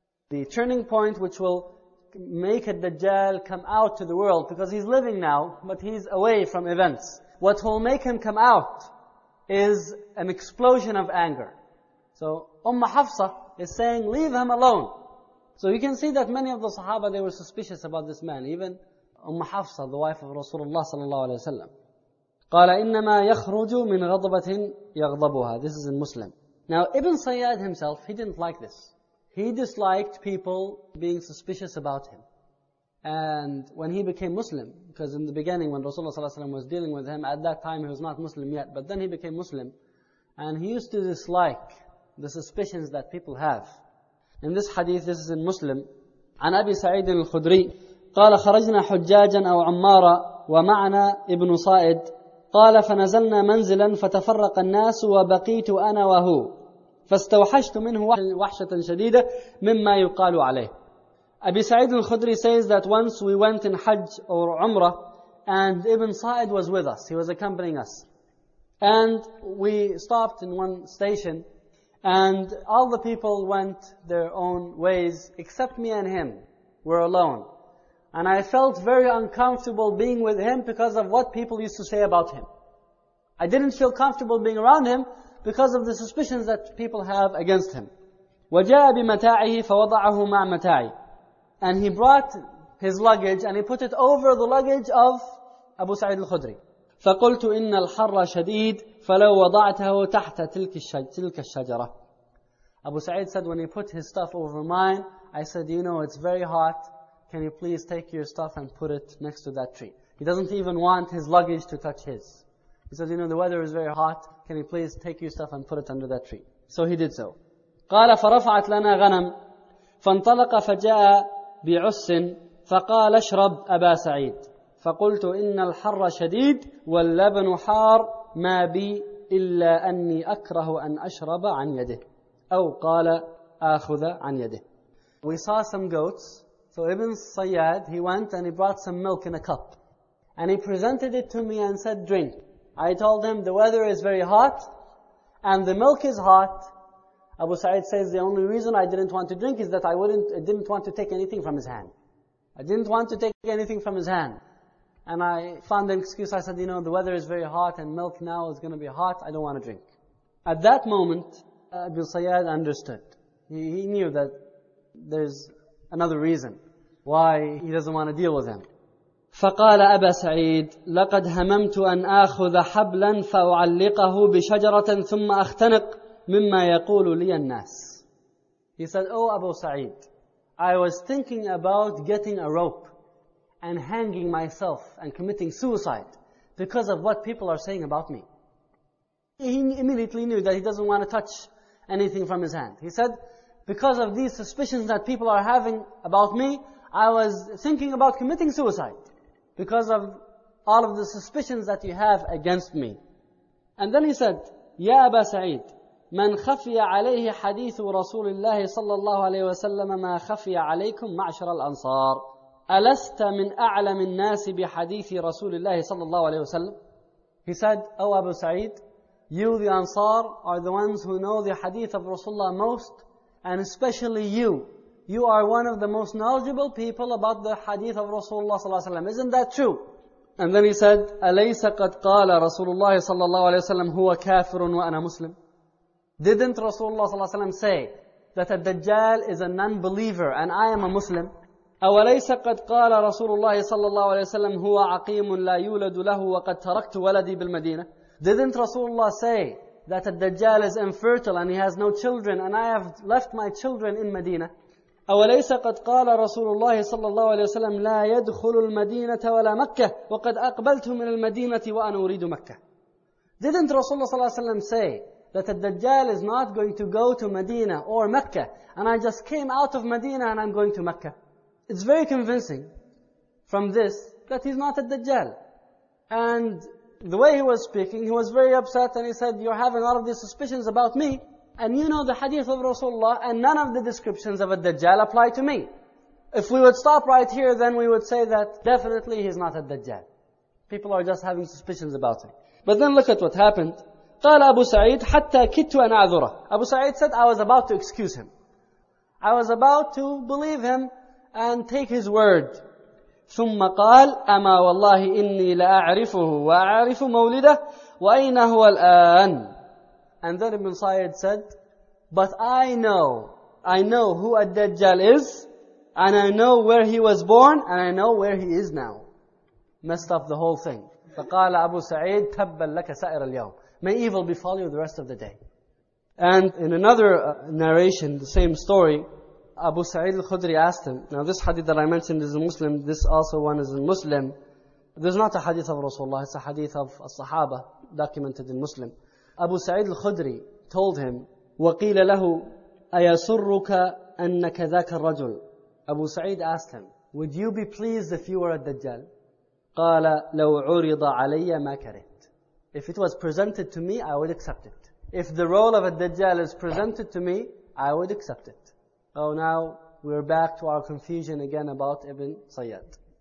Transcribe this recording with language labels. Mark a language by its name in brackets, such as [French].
[English] The turning point which will make a Dajjal come out to the world, because he's living now, but he's away from events. What will make him come out is an explosion of anger. So, Ummah Hafsa is saying, leave him alone. So you can see that many of the Sahaba, they were suspicious about this man. Even Ummah Hafsa, the wife of Rasulullah sallallahu alayhi wa sallam. [Arabic] قَالَ إِنَّمَا يَخْرُجُ مِنْ غَضَبَةٍ يَغْضَبُهَا [English] This is in Muslim. Now, Ibn Sayyad himself, he didn't like this. He disliked people being suspicious about him. And when he became Muslim, because in the beginning when Rasulullah sallallahu alayhi wa sallam was dealing with him, at that time he was not Muslim yet, but then he became Muslim. And he used to dislike the suspicions that people have. In this hadith, this is in Muslim. [Arabic] عن أبي سعيد الخدري قال خرجنا حجاجا أو عمارا ومعنا ابن صائد قال فنزلنا منزلا فتفرق الناس وبقيت أنا وهو فاستوحشت منه وحشة شديدة مما يقال عليه. [English] أبي سعيد الخدري says that once we went in Hajj or Umrah and Ibn Sa'id was with us. He was accompanying us. And we stopped in one station, and all the people went their own ways, except me and him. We're alone. And I felt very uncomfortable being with him because of what people used to say about him. I didn't feel comfortable being around him because of the suspicions that people have against him. [Arabic] وَجَاءَ بِمَتَاعِهِ فَوَضَعَهُ مَعْ مَتَاعِ [English] And he brought his luggage and he put it over the luggage of Abu Sa'id al-Khudri. [Arabic] فَقُلْتُ إِنَّ الْحَرَّ شَدِيدٌ فَلَوْ وَضَعْتَهُ تَحْتَ تِلْكَ الشَّجَرَةِ [English] Abu Sa'id said, when he put his stuff over mine, I said, you know, it's very hot. Can you please take your stuff and put it next to that tree? He doesn't even want his luggage to touch his. He says, you know, the weather is very hot. Can you please take your stuff and put it under that tree? So he did so. [Arabic] قَالَ فَرَفَعَتْ لَنَا غَنَمْ فَانْطَلَقَ فَجَاءَ بِعُسٍ فَقَالَ اشْرَبْ أَبَا سَعِيدٍ فقلت إن الحر شديد واللبن حار ما بي إلا أني أكره أن أشرب عن يده أو قال آخذ عن يده [English] We saw some goats. So Ibn Sayyad, he went and he brought some milk in a cup. And he presented it to me and said, drink. I told him, the weather is very hot and the milk is hot. Abu Sa'id says the only reason I didn't want to drink is that I didn't want to take anything from his hand. I didn't want to take anything from his hand. And I found an excuse. I said, you know, the weather is very hot and milk now is going to be hot. I don't want to drink. At that moment, Abu Sayyad understood. He knew that there's another reason why he doesn't want to deal with him. [Arabic] فقال أبا سعيد لقد هممت أن آخذ حبلا فأعلقه بشجرة ثم أختنق مما يقول لي الناس. [English] He said, oh Abu Sa'id, I was thinking about getting a rope and hanging myself and committing suicide because of what people are saying about me. He immediately knew that he doesn't want to touch anything from his hand. He said, because of these suspicions that people are having about me, I was thinking about committing suicide because of all of the suspicions that you have against me. And then he said, Ya Aba Sa'id, [Arabic] من خفي عليه حديث رسول الله صلى الله عليه وسلم ما خفي عليكم معشر الأنصار ألست من أعلم الناس بحديث رسول الله صلى الله عليه وسلم. [English] He said, oh Abu Sa'id, you the Ansar are the ones who know the hadith of Rasulullah most, and especially you. You are one of the most knowledgeable people about the hadith of Rasulullah صلى الله عليه وسلم. Isn't that true? And then he said, [Arabic] أليس قد قال رسول الله صلى الله عليه وسلم هو كافر وأنا مسلم. [English] Didn't Rasulullah صلى الله عليه وسلم say that a Dajjal is a non-believer and I am a Muslim? [Arabic] أوليس قد قال رسول الله صلى الله عليه وسلم هو عقيم لا يولد له وقد تركت ولدي بالمدينة؟ [English] Didn't Rasulullah say that a Dajjal is infertile and he has no children and I have left my children in Medina? [Arabic] أوليس قد قال رسول الله صلى الله عليه وسلم لا يدخل المدينة ولا مكة وقد أقبلت من المدينة وأنا أريد مكة؟ [English] Didn't Rasulullah صلى الله عليه وسلم say that a Dajjal is not going to go to Medina or Mecca, and I just came out of Medina and I'm going to Mecca? It's very convincing from this that he's not a Dajjal. And the way he was speaking, he was very upset and he said, you're having all of these suspicions about me, and you know the hadith of Rasulullah, and none of the descriptions of a Dajjal apply to me. If we would stop right here, then we would say that definitely he's not a Dajjal. People are just having suspicions about him. But then look at what happened. [Arabic] قال أبو سعيد حتى كدت أن أعذره. [English] Abu Sa'id said, I was about to excuse him. I was about to believe him and take his word. [Arabic] ثم قال أما والله إني لأعرفه وأعرف مولده وأين هو الآن. [English] And then Ibn Sa'id said, but I know who Ad-Dajjal is, and I know where he was born, and I know where he is now. Messed up the whole thing. [Arabic] فقال أبو سعيد تبا لك سائر اليوم. [English] May evil befall you the rest of the day. And in another narration, the same story, Abu Sa'id al-Khudri asked him, now this hadith that I mentioned is a Muslim, this also one is in Muslim. There's not a hadith of Rasulullah, it's a hadith of a Sahaba documented in Muslim. Abu Sa'id al-Khudri told him, [Arabic] وَقِيلَ لَهُ أَيَسُرُّكَ أَنَّكَ ذَاكَ الرَّجُلُ. [English] Abu Sa'id asked him, would you be pleased if you were a Dajjal? [Arabic] قَالَ لَوْ عُرِضَ عَلَيَّ مَا كَرِهْ. [English] If it was presented to me, I would accept it. If the role of a Dajjal is presented to me, I would accept it. Oh, now we're back to our confusion again about Ibn Sayyad.